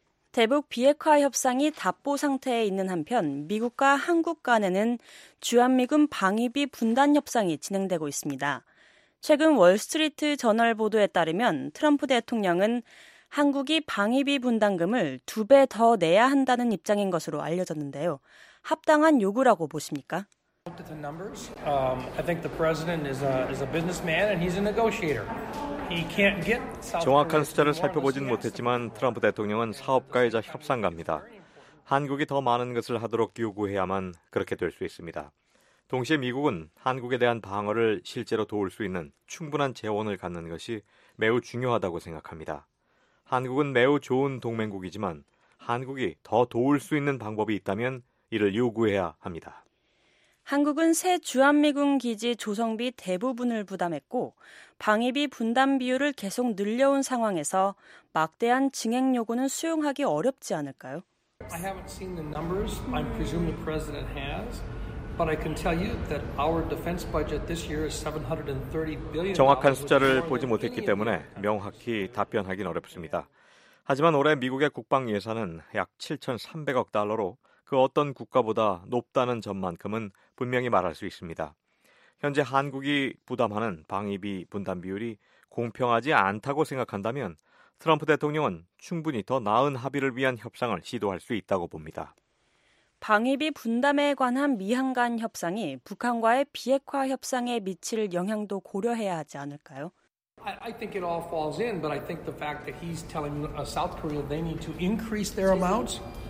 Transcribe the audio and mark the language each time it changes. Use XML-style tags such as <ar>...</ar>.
<ko>대북 비핵화 협상이 답보 상태에 있는 한편 미국과 한국 간에는 주한미군 방위비 분담 협상이 진행되고 있습니다. 최근 월스트리트 저널 보도에 따르면 트럼프 대통령은 한국이 방위비 분담금을 두 배 더 내야 한다는 입장인 것으로 알려졌는데요. 합당한 요구라고 보십니까?</ko> <en>I think the president is a businessman and he's a negotiator. He can't get</en> <ko>정확한 숫자를 살펴보진 못했지만 트럼프 대통령은 사업가이자 협상가입니다. 한국이 더 많은 것을 하도록 요구해야만 그렇게 될 수 있습니다. 동시에 미국은 한국에 대한 방어를 실제로 도울 수 있는 충분한 재원을 갖는 것이 매우 중요하다고 생각합니다. 한국은 매우 좋은 동맹국이지만 한국이 더 도울 수 있는 방법이 있다면 이를 요구해야 합니다. 한국은 새 주한미군 기지 조성비 대부분을 부담했고 방위비 분담 비율을 계속 늘려온 상황에서 막대한 증액 요구는 수용하기 어렵지 않을까요?</ko> <en>I haven't seen the numbers. I presume the president has. But I can tell you that our defense budget this year is $730 billion.</en> <ko>정확한 숫자를 보지 못했기 때문에 명확히 답변하기는 어렵습니다. 하지만 올해 미국의 국방 예산은 약 7,300억 달러로 그 어떤 국가보다 높다는 점만큼은 분명히 말할 수 있습니다. 현재 한국이 부담하는 방위비 분담 비율이 공평하지 않다고 생각한다면 트럼프 대통령은 충분히 더 나은 합의를 위한 협상을 시도할 수 있다고 봅니다. 방위비 분담에 관한 미한 간 협상이 북한과의 비핵화 협상에 미칠 영향도 고려해야 하지 않을까요?</ko> <en>I think it all falls in, but I think the fact that he's telling South Korea they need to increase their amounts.</en>